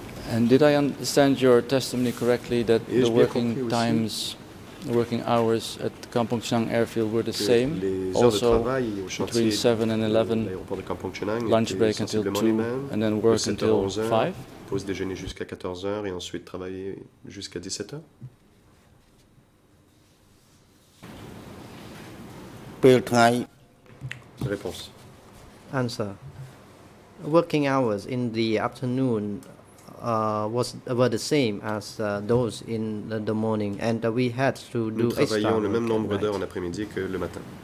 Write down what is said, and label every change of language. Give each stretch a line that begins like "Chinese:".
English: And did I understand your testimony correctly that the working times, the working hours at Kampong Chenang airfield were the same, also between 7 and 11, lunch break until 2, and then work until 5?
French: Pause déjeuner jusqu'à 14 heures et ensuite travailler jusqu'à 17 heures? Réponse.
English: Answer. Working hours in the afternoon were the same as those in the morning, and we had to do extra.
French: Nous travaillions le même nombre d'heures en après-midi que le matin.